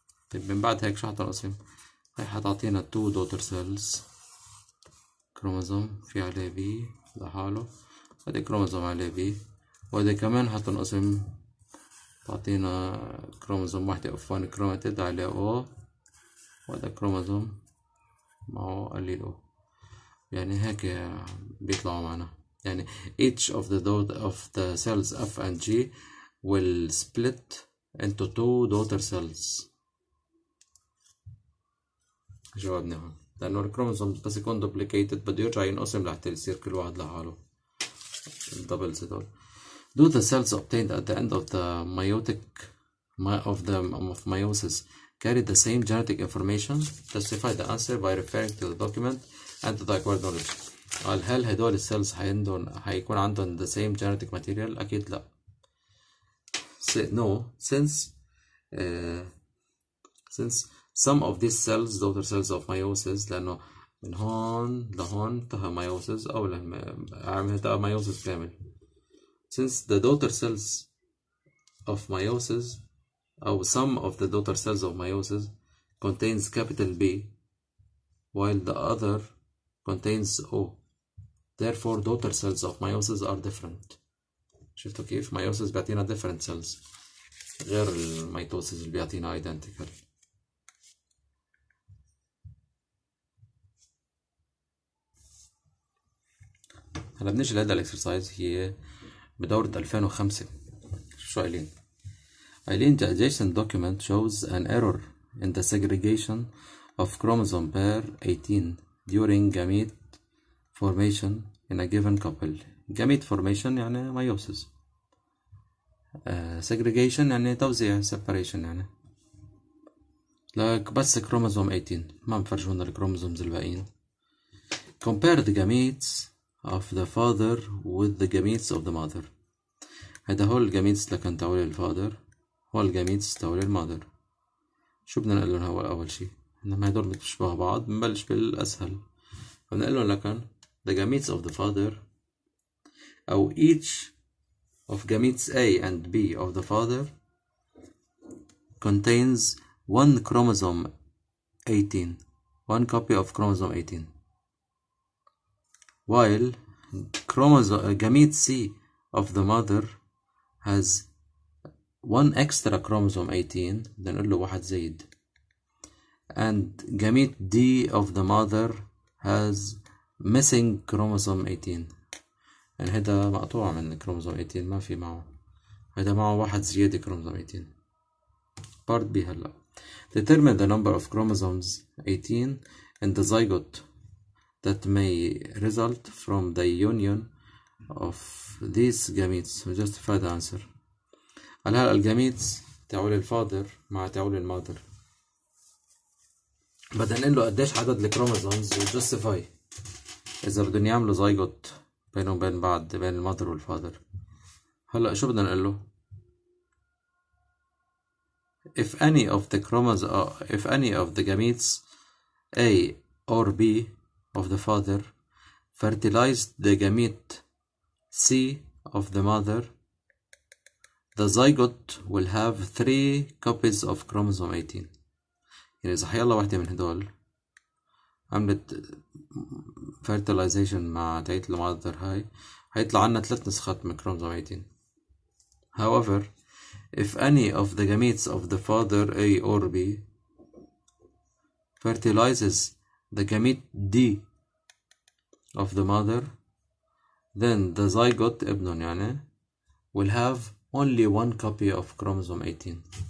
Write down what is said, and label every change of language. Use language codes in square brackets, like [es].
[ar] طيب من بعد هيك شو حتنقسم؟ هي حتعطينا [en] two daughter cells، [ar] كروموزوم في عليه B لحاله، هذا كروموزوم عليه B، وهذا كمان حتنقسم تعطينا كروموزوم واحدة [en] of one chromatid [ar] عليه O، وهذا كروموزوم ما هو قليل او يعني هيك بيطلعوا معنا. [en] يعني each of the dot of the cells F and G will split into two daughter cells. [ar] جاوبني هون، لأنه الكروموسوم بس يكون duplicated بده يرجع ينقسم لحتى يصير كل واحد لحاله الدبلز هدول. [en] Do the cells obtained at the end of the meiotic of meiosis carry the same genetic information? Testify the answer by referring to the document and to the acquired knowledge. [ar] قال هل هدول السيلز حيندون حيكون عندهم [en] the same genetic material؟ [ar] أكيد لا. [en] Say no, since some of these cells, daughter cells of meiosis, [ar] لأنه من هون لهون انتهى meiosis أو انتهى meiosis كامل. [en] Since the daughter cells of meiosis أو some of the daughter cells of meiosis contains capital B while the other contains O. Therefore, daughter cells of meiosis are different. [ar] شفتوا كيف؟ meiosis بيعطينا different cells غير الميتوسيس اللي بيعطينا identical. هلا بنيجي لهذا الاكسرسايز، هي بدورة 2005. شو قايلين؟ قايلين [en] the adjacent document shows an error in the segregation of chromosome pair 18 during gamete formation in a given couple. [ar] gamete formation يعني meiosis. segregation يعني توزيع separation يعني. لك بس chromosome 18 ما مفرجونا الكروموزومز الباقيين. [en] compare the gametes of the father with the gametes of the mother. [ar] هذا هو الجاميتس اللي كان تولي الفادر، هو الجاميتس تولي المادر. شو بدنا نقول لهم؟ أول شيء إنهم هدول بتشبه بعض، بنبلش بالأسهل. بدنا نقول لهم لكن [en] the gametes of the father أو each of gametes A and B of the father contains one chromosome 18, one copy of chromosome 18. While chromosome gamete C of the mother has one extra chromosome 18, then [ar] قل له واحد زيد. [en] And gamete D of the mother has missing chromosome 18. [ar] يعني هذا مقطوع من chromosome 18، ما في معه. هذا معه واحد زيادة chromosome 18. [en] Part B هلا. Determine the number of chromosomes 18 in the zygote that may result from the union of these gametes. Justify the answer. [ar] هل هلا الجاميتس تعول الفادر مع تعول المادر، بدنا نقول له قديش عدد الكروموزومز وجستيفاي اذا بدهم يعملوا زايجوت بينهم بين بعض بين المادر والفادر. هلا شو بدنا نقول له؟ [en] if any of the chromosomes if any of the gametes A or B of the father fertilized the gamete C of the mother, the zygote will have three copies of chromosome 18. [ar] يعني إذا حيالله واحدة من هدول عملت fertilization مع تعيط المادر هاي حيطلع عنا ثلاث نسخات من chromosome 18. [en] However, if any of the gametes of the father A or B fertilizes the gamete D of the mother, then the zygote [ar] ابنهم يعني [en] will have only one copy of chromosome 18.